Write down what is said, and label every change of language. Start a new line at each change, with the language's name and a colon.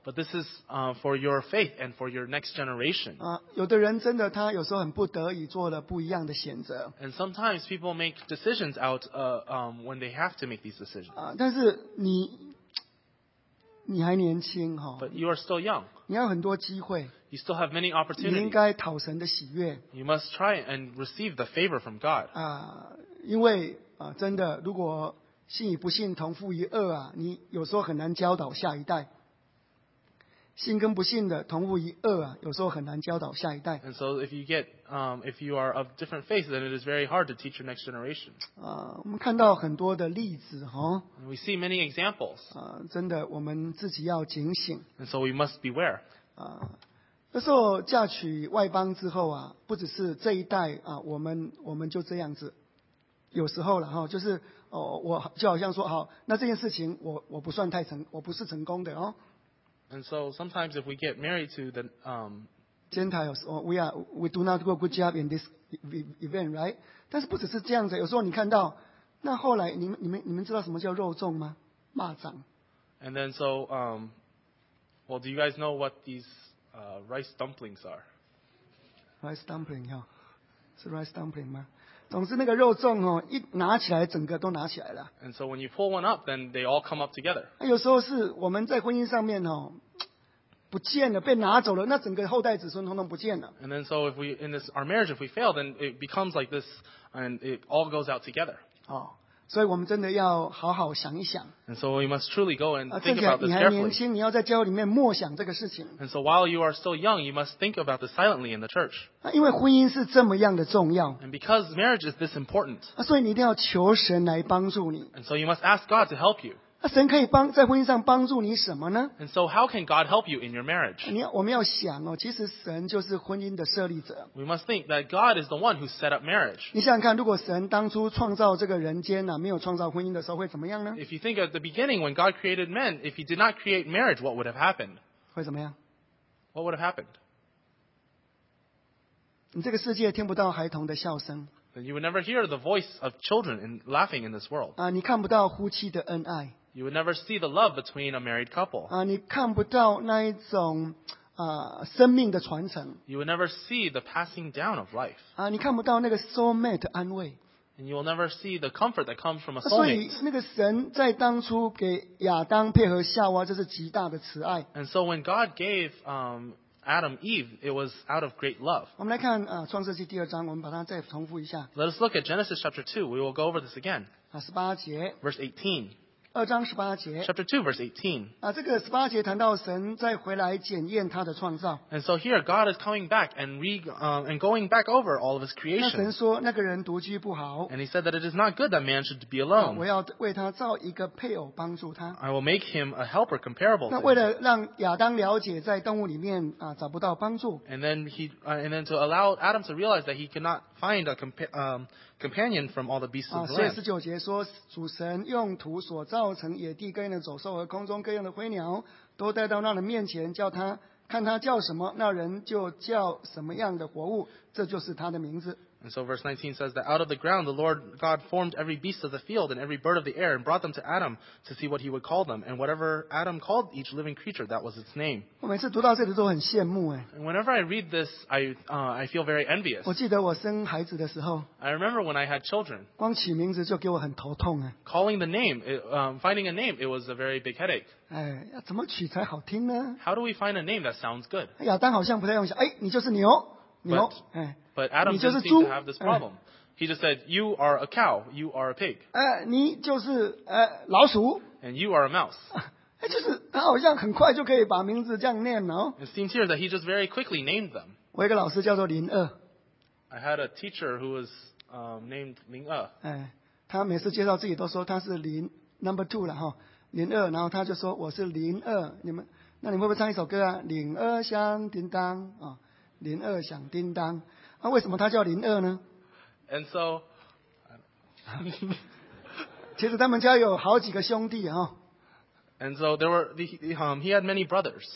English: But this is for your faith and for your next generation.
Chinese: 有的人真的他有时候很不得已做了不一样的选择。
English: And sometimes people make decisions out when they have to make these decisions.
Chinese: 但是你还年轻,
English: but you are still young.
Chinese: 你要很多机会。
English: You still have many opportunities.
Chinese: 你应该讨神的喜悦。
English: You must try and receive the favor from God.
Chinese: 因为真的，如果信与不信同父于轭啊，你有时候很难教导下一代。信跟不信的同父一轭啊，有时候很难教导下一代。
English: And so if you get, if you are of different faith, then it is very hard to teach your next generation.
Chinese: 我们看到很多的例子哈。
English: And we see many examples.
Chinese: 真的，我们自己要警醒。
English: And so we must beware.
Chinese: 那时候嫁娶外邦之后啊，不只是这一代啊，我们就这样子。有时候了哈，就是哦，我就好像说，好，那这件事情我不算太成，我不是成功的哦。
English: And so sometimes if we get married to the Gentiles, or we do not do a good job in this event, right?
Chinese: 但是不只是这样子，有时候你看到，那后来你们知道什么叫肉粽吗？蚂蚱。
English: And then so, well, do you guys know what these rice dumplings are? Rice dumpling, yeah, 是 rice dumpling 吗？
Chinese: 总之那个肉粽哦，一拿起来整个都拿起来了。
English: And so when you pull one up, then they all come up together.
Chinese: 有时候是我们在婚姻上面哦，不见了，被拿走了，那整个后代子孙统统不见了。
English: And then so if we in this our marriage, if we fail, then it becomes like this, and it all goes out together.
Chinese: 哦，所以我们真的要好好想一想。
English: And so we must truly go and think about this carefully.
Chinese: 你还年轻，你要在教会里面默想这个事情。
English: And so while you are still young, you must think about this silently in the church.
Chinese: 因为婚姻是这么样的重要。
English: And because marriage is this important.
Chinese: 所以你一定要求神来帮助你。
English: And so you must ask God to help you.
Chinese: 神可以在婚姻上帮助你什么呢？
English: And so how can God help you in your marriage?
Chinese: 我们要想哦，其实神就是婚姻的设立者。
English: We must think that God is the one who set up marriage.
Chinese: 你想想看，如果神当初创造这个人间啊，没有创造婚姻的时候会怎么样呢？
English: If you think at the beginning when God created men, if he did not create marriage, what would have happened?
Chinese: 会怎么样？
English: What would have happened?
Chinese: 你这个世界听不到孩童的笑声。
English: Then you would never hear the voice of children laughing in this world.
Chinese: 你看不到夫妻的恩爱。
English: You would never see the love between a married couple.
Chinese: 你看不到那一种生命的传承。
English: You would never see the passing down of life.
Chinese: 你看不到那个 soulmate 的安慰。
English: And you will never see the comfort that comes from a soulmate.
Chinese: 所以那个神在当初给亚当配合夏娃，这是极大的慈爱。
English: And so when God gave Adam Eve, it was out of great love.
Chinese: 我们来看创世纪第二章，我们把它再重复一下。
English: Let us look at Genesis chapter 2. We will go over this again.
Chinese: 十八节。
English: Verse 18.
Chinese: 二章十八节
English: Chapter 2, verse 18.
Chinese: 这个十八节谈到神再回来检验他的创造。
English: And so here, God is coming back and, and going back over all of his creation.
Chinese: 那神说那个人独居不好。
English: And he said that it is not good that man should be alone.
Chinese: 我要为他造一个配偶帮助他。
English: I will make him a helper comparable to him.
Chinese: 那为了让亚当了解在动物里面找不到帮助。
English: And then to allow Adam to realize that he cannot find a companion from all the beasts of the land.
Chinese: 所以十九节说主神用土所造造成野地各样的走兽和空中各样的飞鸟，都带到那人面前，叫他看他叫什么，那人就叫什么样的活物，这就是他的名字。
English: And so verse 19 says that out of the ground the Lord God formed every beast of the field and every bird of the air and brought them to Adam to see what he would call them. And whatever Adam called each living creature, that was its name.
Chinese: 我每次读到这里都很羡慕。
English: And whenever I read this, I feel very envious.
Chinese: 我记得我生孩子的时候，
English: I remember when I had children.
Chinese: 光起名字就给我很头痛。
English: Calling the name, finding a name, it was a very big headache.
Chinese: 哎，怎么取才好听呢？
English: How do we find a name that sounds good?
Chinese: 亚当好像不太用想，哎，你就是牛。
English: But Adam didn't seem to have this problem. He just said, you are a cow, you are a pig.
Chinese: 你就是老鼠。
English: And you are a mouse.
Chinese: 就是他好像很快就可以把名字这样念了。
English: It seems here that he just very quickly named them.
Chinese: 我一个老师叫做林二。
English: I had a teacher who was named 林二。
Chinese: 他每次介绍自己都说他是林
English: number two
Chinese: 了哈，林二，然后他就说我是林二，你们那你们会不会唱一首歌啊？林二响叮当啊。林二响叮当，那为什么他叫林二呢
English: ？And so,
Chinese: 其实他们家有好几个兄弟哈。
English: And so there were he had many brothers.